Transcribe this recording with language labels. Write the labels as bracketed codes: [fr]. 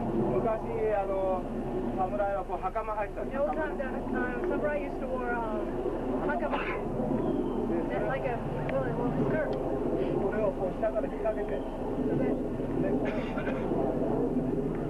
[ja] 昔あの侍はこう袴履いてた。 [en] The old time samurai used to wear hakama. Like a skirt. [ja] これをこう下から引っ掛けて。